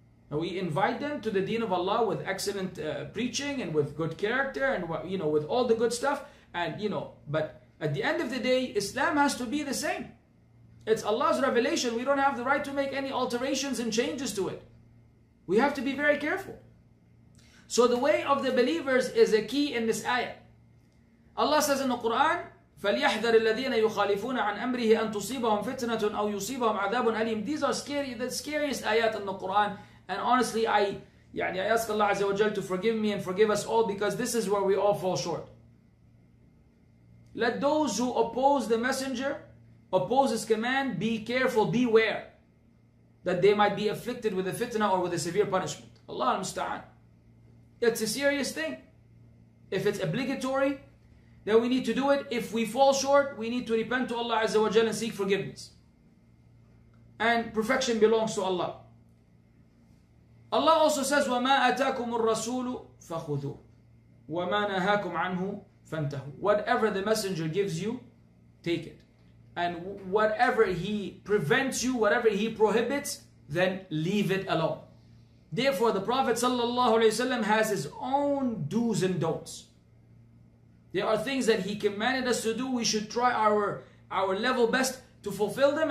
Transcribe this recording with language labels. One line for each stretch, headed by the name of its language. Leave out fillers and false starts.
English: And we invite them to the deen of Allah with excellent preaching and with good character and, you know, with all the good stuff. And, you know, but at the end of the day, Islam has to be the same. It's Allah's revelation. We don't have the right to make any alterations and changes to it. We have to be very careful. So the way of the believers is a key in this ayah. Allah says in the Quran,
Arabic: فَلْيَحْذَرِ الَّذِينَ يُخَالِفُونَ عَنْ أَمْرِهِ أَنْ تُصِيبَهُمْ فِتْنَةٌ أَوْ يُصِيبَهُمْ عَذَابٌ أَلِيمٌ.
English: These are the scariest ayat in the Quran. And honestly, I ask Allah Azza wa Jal to forgive me and forgive us all, because this is where we all fall short. Let those who oppose the messenger, oppose his command, be careful, beware, that they might be afflicted with a fitna or with a severe punishment. Allah al-musta'an. It's a serious thing. If it's obligatory, then we need to do it. If we fall short, we need to repent to Allah Azza wa Jal and seek forgiveness. And perfection belongs to Allah. Allah also says,
Arabic: وَمَا أَتَاكُمُ الرَّسُولُ فَخُذُوا وَمَا نَهَاكُمْ عَنْهُ فَانْتَهُوا.
English: Whatever the messenger gives you, take it. And whatever he prevents you, whatever he prohibits, then leave it alone. Therefore, the Prophet ﷺ has his own do's and don'ts. There are things that he commanded us to do. We should try our level best to fulfill them.